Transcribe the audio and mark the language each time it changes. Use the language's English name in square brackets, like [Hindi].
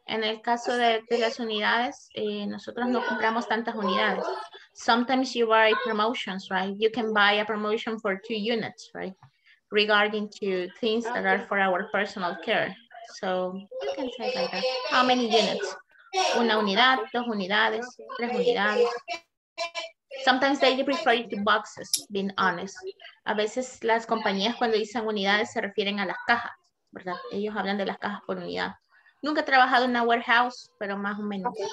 [Spanish] En el caso de las unidades, nosotros no compramos tantas unidades. [English] Sometimes you buy promotions, right? You can buy a promotion for 2 units, right? Regarding to things that are for our personal care. So you can say like that. How many units? [Spanish] Una unidad, dos unidades, tres unidades. [English] Sometimes they prefer it to boxes, being honest. [Spanish] A veces las compañías cuando dicen unidades se refieren a las cajas. ¿Verdad? Ellos hablan de las cajas por unidad. Nunca he trabajado en una warehouse, pero más o menos.